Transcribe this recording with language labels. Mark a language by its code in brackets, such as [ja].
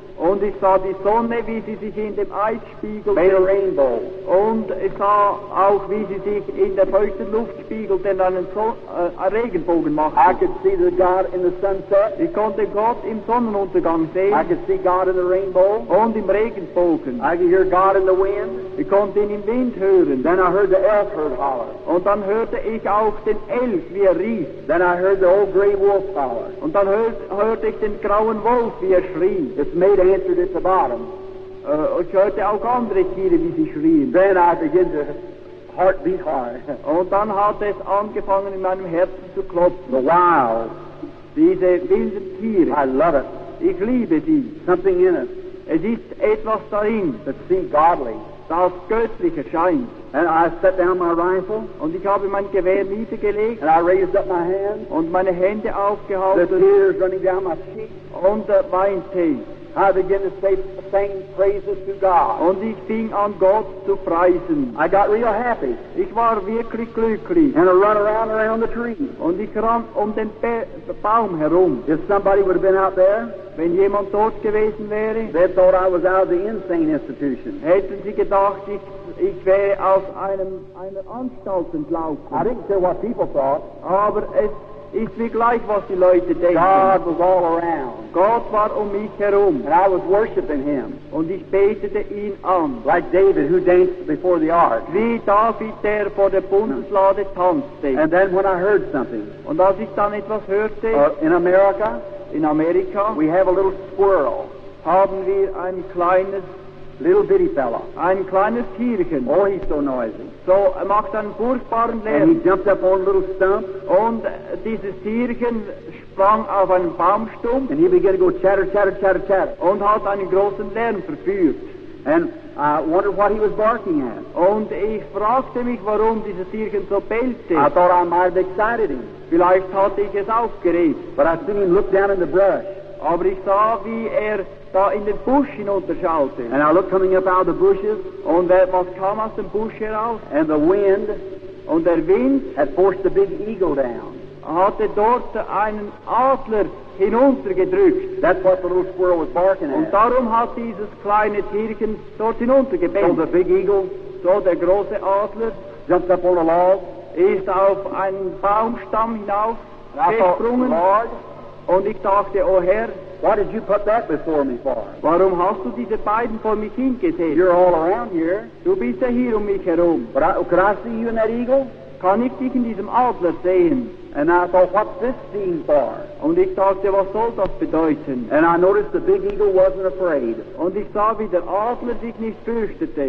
[de] Und ich sah die Sonne, wie sie sich in dem Eis spiegelte. [en] Made a rainbow. [de] Und ich sah auch, wie sie sich in der feuchten Luft spiegelte und einen Regenbogen machte. [en] I could see the God in the sunset. [de] Ich konnte Gott im Sonnenuntergang sehen. [en] I could see God in the rainbow. [de] Und im Regenbogen. [en] I could hear God in the wind. [de] Ich konnte ihn im Wind hören. [en] Then I heard the elk herd holler. [de] Und dann hörte ich auch den Elch, wie er rief. [en] Then I heard the old gray wolf holler. [de] Und dann hörte ich den grauen Wolf, wie er schrie. [en] It's made answered at the bottom. [de] Ich hörte auch andere Tiere, wie sie schrien. [en] Then I began to heart beat hard. [de] Und dann hat es angefangen, in meinem Herzen zu klopfen. [en] The wild. [de] Diese wilden Tiere. [en] I love it. [de] Ich liebe sie. [en] Something in it. [de] Es ist etwas darin. [en] That seems godly. [de] Das göttlich erscheint. [en] And I set down my rifle. [de] Und ich habe mein Gewehr niedergelegt. [en] And I raised up my hand. [de] Und meine Hände aufgehalten. [en] The tears running down my cheeks. [de] Und weinte. [en] I began to sing praises to God. [de] Und ich fing an, Gott zu preisen. [en] I got real happy. [de] Ich war wirklich glücklich. [en] And I run around the tree. [de] Und ich ran um den Baum herum. [en] If somebody would have been out there, [de] wenn jemand dort gewesen wäre, [en] they thought I was out of the insane institution. [de] Hätten sie gedacht, ich wäre aus einer Anstalt entlaufen. [en] I didn't care what people thought. [de] Aber es ist mir gleich, was die Leute denken. [en] God was all around. [de] Gott war um mich herum. [en] And I was worshiping him. [de] Und ich betete ihn an. [en] Like David, who danced before the ark. [de] Wie David, der vor der Bundeslade tanzte. [en] And then when I heard something. [de] Und als ich dann etwas hörte. [en] In America. We have a little squirrel. [de] Haben wir ein kleines. [en] Little bitty fellow. [de] Ein kleines Tierchen. [en] Oh, he's so noisy. [de] So er macht einen furchtbaren Lärm. [en] And he jumped up on a little stump. [de] Und dieses Tierchen sprang auf einen Baumstumpf. [en] And he began to go chatter, chatter, chatter, chatter. [de] Und hat einen großen Lärm verführt. [en] And I wondered what he was barking at. [de] Und ich fragte mich, warum dieses Tierchen so bellte. [en] I thought I might have excited him. [de] Vielleicht hatte ich es aufgeregt. [en] But I soon looked down in the brush. [de] Aber ich sah, wie er da in den Busch hinunterschaute. [en] And I looked coming up out of the bushes. [de] Und was kam aus dem Busch heraus? [en] And the wind. [de] Und der Wind. [en] Had forced the big eagle down. [de] Hatte dort einen Adler hinuntergedrückt. [en] That's what the little squirrel was barking at. [de] Und darum hat dieses kleine Tierchen dort hinuntergebellt. [en] So the big eagle. [de] So der große Adler. [en] Jumped up on a log. [de] Ist auf einen Baumstamm hinauf gesprungen. Und ich dachte, oh Herr, [en] why did you put that before me for? [de] Warum hast du diese beiden vor mich hingesetzt? [en] You're all around here. [de] Du bist ja hier um mich herum. [en] But could I see you in that eagle? [de] Kann ich dich in diesem Adler sehen? [en] And I thought, what's this scene for? [de] Und ich dachte, was soll das bedeuten? [en] And I noticed the big eagle wasn't afraid. [de] Und ich sah, wie der Adler sich nicht fürchtete.